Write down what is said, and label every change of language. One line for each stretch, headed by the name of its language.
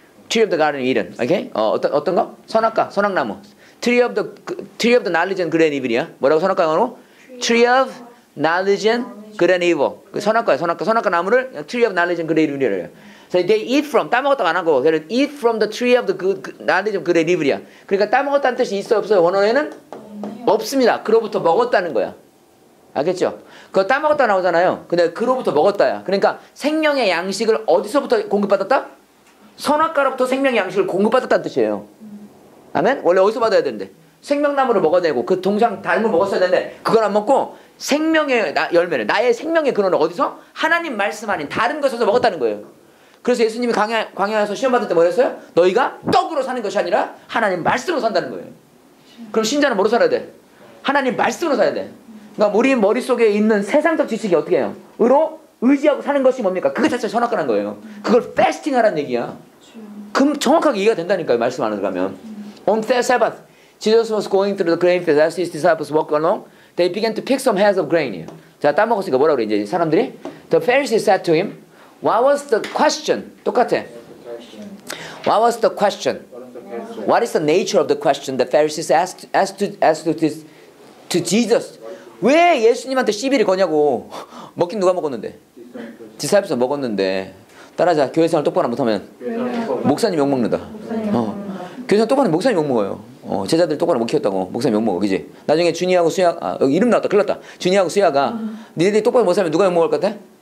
English: Tree of the Garden of Eden. Okay? 어떤 거? 선악과, 선악나무. Tree of the knowledge and good and evil이야. 뭐라고 선악과 영어로? Tree of knowledge and good and evil. 선악과야, 선악과. 선악과 나무를 tree of knowledge and good and evil이래요. So they eat from, 따먹었다가 안 하고, they eat from the tree of the knowledge of good and evil이야.
Korean: 그러니까 따먹었다는 뜻이 있어, 없어요? 원어에는? 없습니다. 그로부터 먹었다는 거야. 알겠죠? 그거 따먹었다 나오잖아요. 근데 그로부터 먹었다야. 그러니까 생명의 양식을 어디서부터 공급받았다? 선악과로부터 생명의 양식을 공급받았다는 뜻이에요. 아멘? 원래 어디서 받아야 되는데? 생명나무를 먹어야 되고 그 동상 닮을 먹었어야 되는데 그걸 안 먹고 생명의 열매를 나의 생명의 근원을 어디서? 하나님 말씀 아닌 다른 것에서 먹었다는 거예요. 그래서 예수님이 광야에서 시험 받을 때 뭐랬어요? 너희가 떡으로 사는 것이 아니라 하나님 말씀으로 산다는 거예요. 그럼 신자는 뭐로 살아야 돼? 하나님 말씀으로 살아야 돼. 그러니까 우리 머릿속에 있는 세상적 지식이 어떻게 해요? 의로 의지하고 사는 것이 뭡니까? 그게 자체가 선악과라는 거예요. 그걸 패스팅하라는 얘기야. 그럼 정확하게 이해가 된다니까요. 말씀 안 들어가면.
English: On the Sabbath, Jesus was going through the grain field as his disciples walked along. They began to pick some heads of grain.
Korean: 자, 따먹었으니까 뭐라고 그래 이제 사람들이?
English: The Pharisees said to him, What was the question? 똑같아. What was the question? What is the nature of the question the Pharisees asked to Jesus?
Korean: 왜 예수님한테 시비를 거냐고. 먹긴 누가 먹었는데? 디사이프에서 먹었는데. 따라하자. 교회생활 똑바로 못하면? 목사님 욕먹는다. 교회생활 똑바로 하면 목사님 욕먹어요. 제자들 똑바로 못 키웠다고. 목사님 욕먹어. 그지? 나중에 준이하고 수야, 이름 나왔다. 큰일 났다. 준이하고 수야가 니네들이 똑바로 못 살면 누가 욕먹을 것 같아?